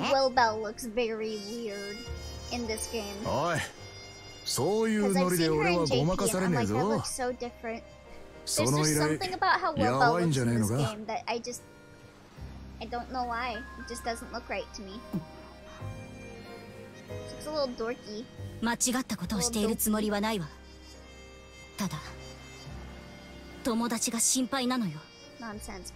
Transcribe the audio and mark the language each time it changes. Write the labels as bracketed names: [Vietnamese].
[English] I think Wilbell looks very weird in this game. [Japanese] おい、そういうノリで俺はごまかされねえぞ。 [English] There's something about how Wilbell looks in this game that I don't know why. It just doesn't look right to me. It's a little dorky. [Japanese] 間違ったことをしているつもりはないわ。ただ、友達が心配なのよ。 [English] Nonsense.